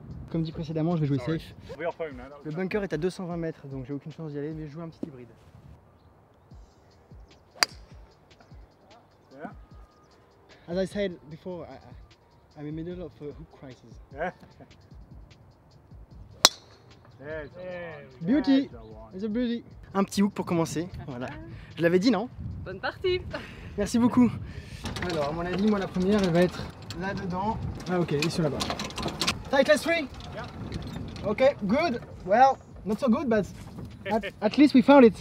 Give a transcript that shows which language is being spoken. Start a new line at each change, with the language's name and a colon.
French: Comme dit précédemment, je vais jouer safe. Le bunker est à 220 mètres, donc j'ai aucune chance d'y aller, mais je joue un petit hybride.
English: As I said before, I'm in the middle of a hook crisis. Beauty, it's a beauty.
French: Un petit hook pour commencer, voilà. Je l'avais dit, non? Bonne partie. Merci beaucoup. Alors, à mon avis, moi, la première, elle va être là-dedans. Ah, ok, ici, là-bas.
English: Tight last three. Yeah. Okay, good. Well, not so good, but at least we found it.